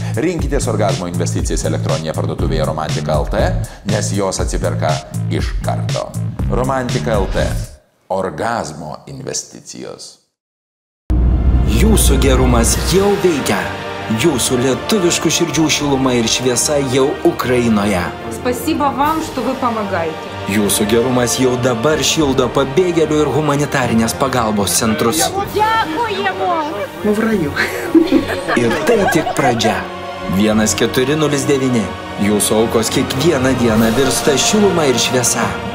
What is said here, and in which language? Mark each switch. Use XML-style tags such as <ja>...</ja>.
<lt>Rinkitės orgazmo investicijas elektroninėje parduotuvėje Romantika LT, nes jos atsiperka iš karto. Romantika LT – orgazmo investicijos. Jūsų gerumas jau veikia. Jūsų lietuviškų širdžių šiluma ir šviesa jau Ukrainoje.</lt> <ru>Спасибо вам, что вы помогаете.</ru> <lt>Jūsų gerumas jau dabar šildo pabėgėlių ir humanitarinės pagalbos centrus.</lt> <uk>Dėkujemo! В раю.</uk> <lt>Ir tai tik pradžia. 1409. Jūsų aukos kiekvieną dieną virsta šiluma ir šviesa.</lt>